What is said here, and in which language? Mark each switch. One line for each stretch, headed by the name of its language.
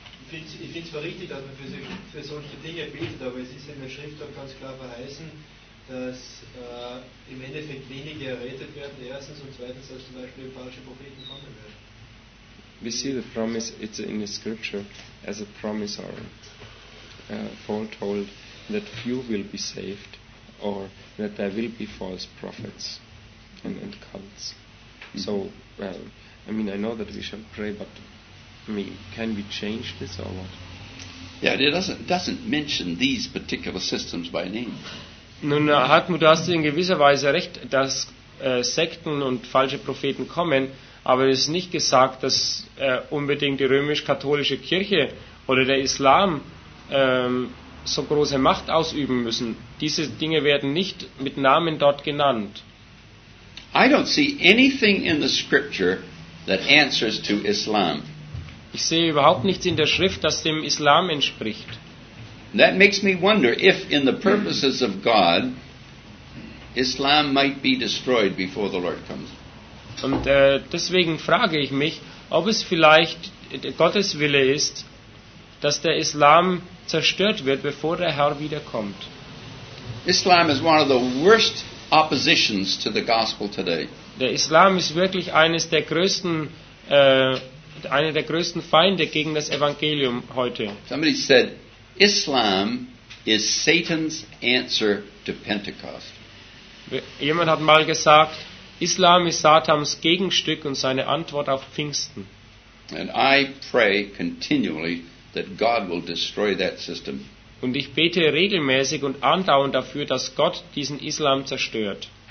German: Ich finde es zwar richtig, dass man für solche Dinge betet, aber es ist in der Schrift auch ganz klar verheißen, dass im Endeffekt wenige errettet werden, erstens, und zweitens, dass zum Beispiel falsche Propheten kommen werden.
English: We see the promise, it's in the scripture, as a promise or foretold, that few will be saved, or that there will be false prophets and cults. Mm-hmm. So, well, I mean, I know that we shall pray, but I mean, can we change this or what? Yeah, it doesn't mention these particular systems by name.
German: Nun, Hartmut, du hast in gewisser Weise recht, dass Sekten und falsche Propheten kommen, aber es ist nicht gesagt, dass unbedingt die römisch-katholische Kirche oder der Islam so große Macht ausüben müssen. Diese Dinge werden nicht mit Namen dort genannt.
English: I don't see anything in the scripture that answers to Islam.
German: Ich sehe überhaupt nichts in der Schrift, das dem Islam entspricht.
English: That makes me wonder if in the purposes of God Islam might be destroyed before the Lord comes.
German: Und deswegen frage ich mich, ob es vielleicht Gottes Wille ist, dass der Islam zerstört wird, bevor der Herr wiederkommt.
English: Islam is one of the worst oppositions to the gospel today.
German: Der Islam ist wirklich einer der größten Feinde gegen das Evangelium heute.
English: Somebody said, Islam is Satan's answer to Pentecost.
German: Jemand hat mal gesagt, Islam ist Satans Gegenstück und seine Antwort auf Pfingsten.
English: And I pray continually that God will destroy that system.
German: Und ich bete regelmäßig und andauernd dafür, dass Gott diesen Islam zerstört.